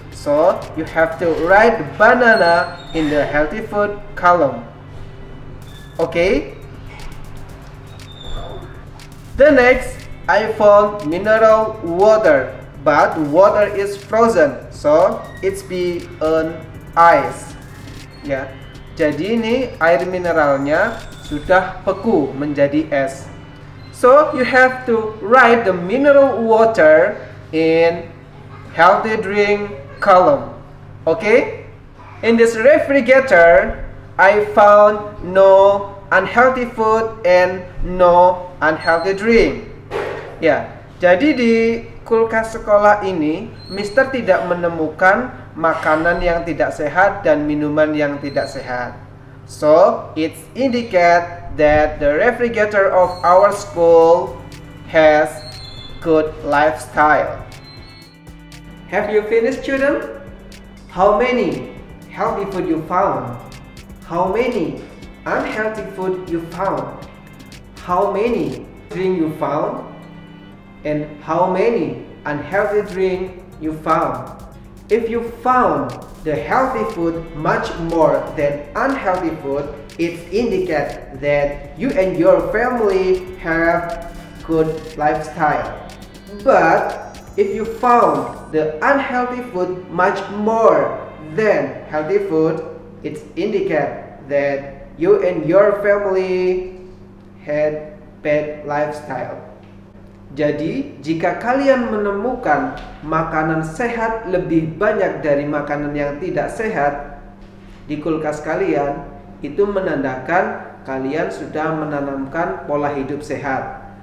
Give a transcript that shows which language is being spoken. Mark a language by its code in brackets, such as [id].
[en] So you have to write banana in the healthy food column. Okay. The next, I found mineral water, but water is frozen, so it's be an ice. Yeah. [id] Jadi ini air mineralnya sudah beku menjadi es. [en] So you have to write the mineral water in healthy drink column. Okay. In this refrigerator, I found no unhealthy food and no unhealthy drink. [id] Yeah, jadi di kulkas sekolah ini, Mister tidak menemukan makanan yang tidak sehat dan minuman yang tidak sehat. [en] So, it indicate that the refrigerator of our school has good lifestyle. Have you finished, children? How many healthy food you found? How many unhealthy food you found? How many drink you found? And how many unhealthy drink you found? If you found the healthy food much more than unhealthy food, it indicates that you and your family have good lifestyle. But if you found the unhealthy food much more than healthy food, it indicates that you and your family had bad lifestyle. [id] Jadi, jika kalian menemukan makanan sehat lebih banyak dari makanan yang tidak sehat di kulkas kalian, itu menandakan kalian sudah menanamkan pola hidup sehat.